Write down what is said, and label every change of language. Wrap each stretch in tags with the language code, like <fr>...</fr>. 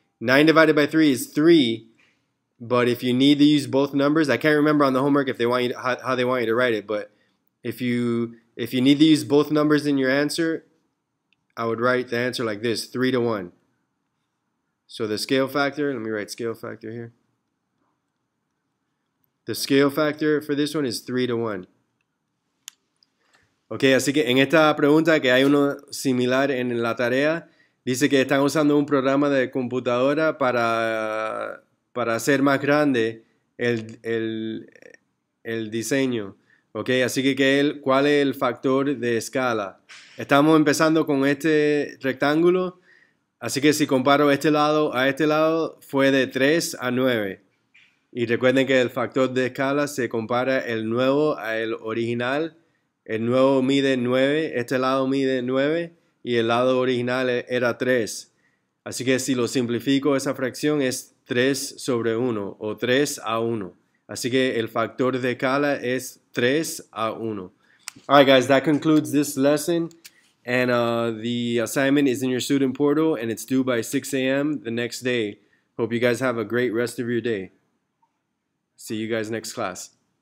<en>9 divided by 3 is 3, but if you need to use both numbers, I can't remember on the homework if they want you to, how they want you to write it, but if you need to use both numbers in your answer, I would write the answer like this, 3 to 1. So the scale factor, let me write scale factor here. The scale factor for this one is 3 to 1.</en> <es>Ok, así que en esta pregunta que hay uno similar en la tarea, dice que están usando un programa de computadora para hacer más grande el diseño. Ok, así que ¿cuál es el factor de escala? Estamos empezando con este rectángulo, así que si comparo este lado a este lado, fue de 3 a 9. Y recuerden que el factor de escala se compara el nuevo al original. El nuevo mide 9, este lado mide 9 y el lado original era 3. Así que si lo simplifico, esa fracción es 3 sobre 1 o 3 a 1. Así que el factor de escala es 3 a 1.</es> <en>All right, guys, that concludes this lesson. And the assignment is in your student portal and it's due by 6 a.m. the next day. Hope you guys have a great rest of your day. See you guys next class.</en>